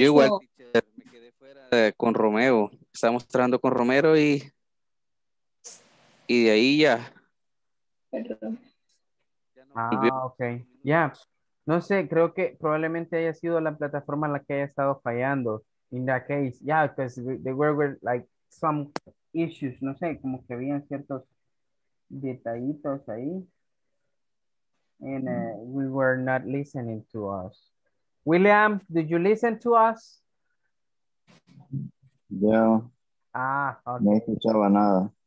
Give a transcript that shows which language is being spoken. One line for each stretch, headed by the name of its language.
Spanish: Yo igual, teacher, me quedé fuera con Romeo. Estábamos trabajando con Romero y de ahí ya. Perdón. Ah, ok. Ya. Yeah. No sé, creo que probablemente haya sido la plataforma la que haya estado fallando.
English: In that case, yeah, because there were like some issues.
Spanish: No sé, como que habían ciertos detallitos ahí.
English: And we were not listening to us. William, did you listen to us? Yeah. Ah,
Spanish: okay. No escuchaba nada.